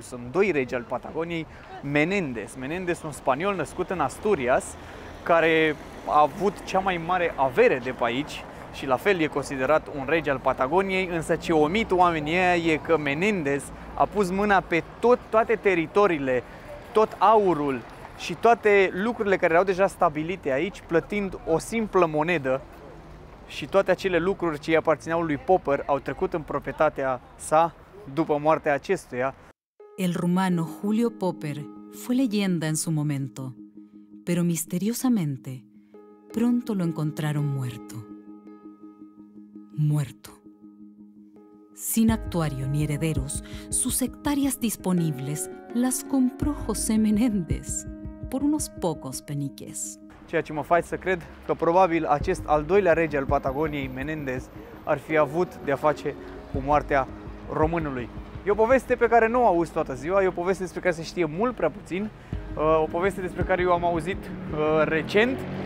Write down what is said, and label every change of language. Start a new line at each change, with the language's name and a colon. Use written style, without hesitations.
Romanian: Sunt doi regi al Patagoniei, Menéndez. Menéndez, un spaniol născut în Asturias, care a avut cea mai mare avere de pe aici și la fel e considerat un rege al Patagoniei, însă ce omit oamenii aia e că Menéndez a pus mâna pe toate teritoriile, tot aurul și toate lucrurile care erau deja stabilite aici, plătind o simplă monedă, și toate acele lucruri ce îi aparțineau lui Popper au trecut în proprietatea sa după moartea acestuia.
Spanish: El rumano Julio Popper fue leyenda en su momento, pero misteriosamente pronto lo encontraron muerto. Muerto. Sin actuario ni herederos, sus hectáreas disponibles las compró José Menéndez. por unos pocos peniques.
Romanian: Ceea ce mă face să cred că probabil acest al doilea rege al Patagoniei, Menendez, ar fi avut de-a face cu moartea românului. E o poveste pe care nu o auzi toată ziua, e o poveste despre care se știe mult prea puțin, o poveste despre care eu am auzit recent.